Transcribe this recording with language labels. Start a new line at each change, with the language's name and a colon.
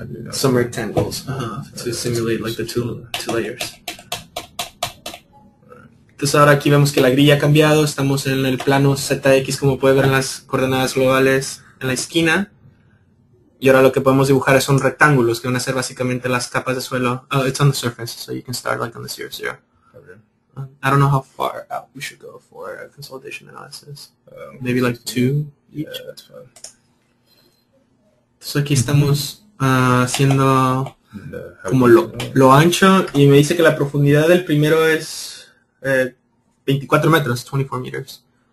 English: summer tendrils to simulate like the two layers.
Spanish: Entonces ahora aquí vemos que la grilla ha cambiado, estamos en el plano ZX como puede ver en las coordenadas globales en la esquina. Y ahora lo que podemos dibujar son rectángulos que van a ser básicamente las capas de suelo.
English: Oh, it's on the surface, so you can start like on the surface, yeah. Okay. I don't know how far out we should go for a consolidation analysis. Maybe like two each? Yeah, that's fine.
Spanish: Entonces aquí estamos haciendo como lo ancho y me dice que la profundidad del primero es 24 metros,
English: 24 meters.